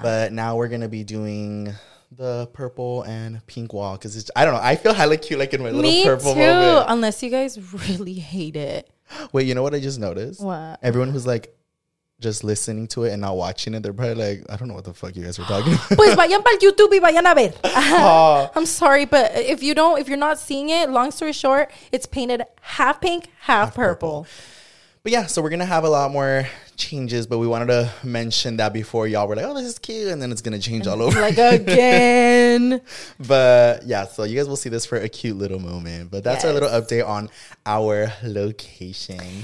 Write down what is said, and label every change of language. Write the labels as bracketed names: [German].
[English] But now we're going to be doing the purple and pink wall. Because it's, I don't know. I feel hella cute like in my little purple moment. Me too. Unless you guys really hate it. Wait, you know what I just noticed? What? Everyone who's like just listening to it and not watching it, they're probably like, I don't know what the fuck you guys were talking about. [Spanish] Pues vayan para YouTube y vayan a ver. [English] I'm sorry, but if you're not seeing it, long story short, it's painted half pink, half purple. But yeah, so we're going to have a lot more changes, but we wanted to mention that before y'all were like, oh, this is cute. And then it's going to change all over. Like again. But yeah, so you guys will see this for a cute little moment. But that's our little update on our location.